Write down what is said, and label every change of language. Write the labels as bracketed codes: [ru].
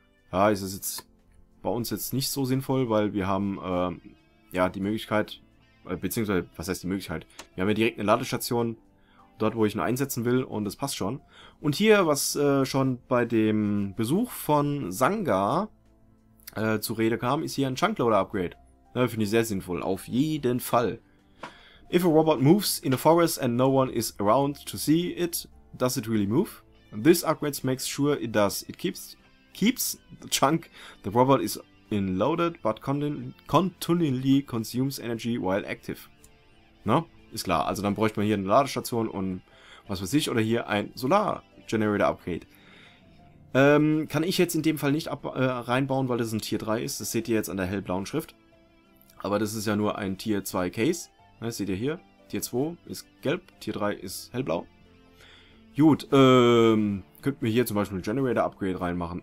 [de] Ja, ist es jetzt bei uns jetzt nicht so sinnvoll, weil wir haben, ja, die Möglichkeit, beziehungsweise, was heißt die Möglichkeit? Wir haben ja direkt eine Ladestation dort, wo ich ihn einsetzen will und das passt schon. Und hier, was schon bei dem Besuch von Sanga zu Rede kam, ist hier ein Chunkloader-Upgrade. Finde ich sehr sinnvoll, auf jeden Fall. [en] If a robot moves in a forest and no one is around to see it, does it really move? This upgrade makes sure it does. It keeps the chunk. The robot is unloaded, but continually consumes energy while active. Ne? [de] Ist klar, also dann bräuchte man hier eine Ladestation und was weiß ich, oder hier ein Solar-Generator-Upgrade. Kann ich jetzt in dem Fall nicht reinbauen, weil das ein Tier 3 ist. Das seht ihr jetzt an der hellblauen Schrift. Aber das ist ja nur ein Tier 2 Case. Das seht ihr hier. Tier 2 ist gelb, Tier 3 ist hellblau. Gut, könnten wir hier zum Beispiel ein Generator-Upgrade reinmachen.